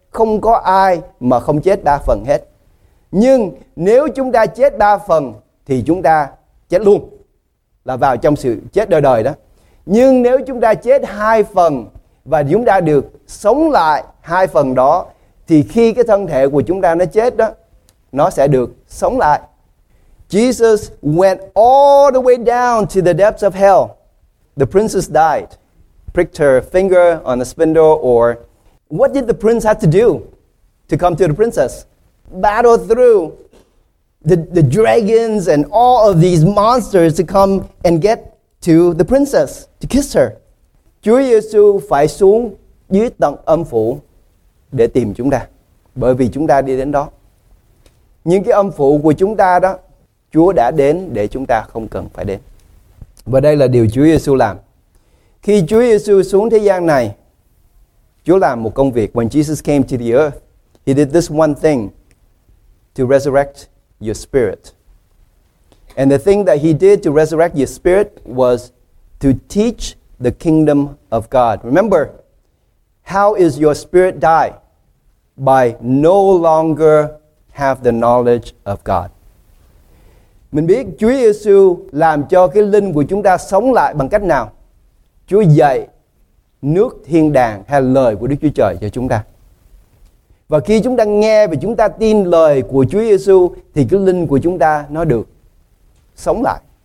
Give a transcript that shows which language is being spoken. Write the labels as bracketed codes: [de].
[vi] Không có ai mà không chết ba phần hết. Nhưng nếu chúng ta chết ba phần thì chúng ta chết luôn, là vào trong sự chết đời đời đó. Nhưng nếu chúng ta chết hai phần và chúng ta được sống lại hai phần đó, thì khi cái thân thể của chúng ta nó chết đó, nó sẽ được sống lại. [en] Jesus went all the way down to the depths of hell. The princess died, pricked her finger on the spindle. Or what did the prince have to do to come to the princess? Battle through the dragons and all of these monsters to come and get to the princess, to kiss her. [vi] Chúa Giêsu phải xuống dưới tận âm phủ để tìm chúng ta, bởi vì chúng ta đi đến đó. Những cái âm phủ của chúng ta đó, Chúa đã đến để chúng ta không cần phải đến. Và đây là điều Chúa Giêsu làm. Khi Chúa Giêsu xuống thế gian này, Chúa làm một công việc. [en] When Jesus came to the earth, he did this one thing: to resurrect your spirit. And the thing that he did to resurrect your spirit was to teach the kingdom of God. Remember, how is your spirit die? By no longer have the knowledge of God. [vi] Mình biết Chúa Giêsu làm cho cái linh của chúng ta sống lại bằng cách nào? Chúa dạy nước thiên đàng hay lời của Đức Chúa Trời cho chúng ta. Và khi chúng ta nghe và chúng ta tin lời của Chúa Giêsu thì cái linh của chúng ta nó được sống lại.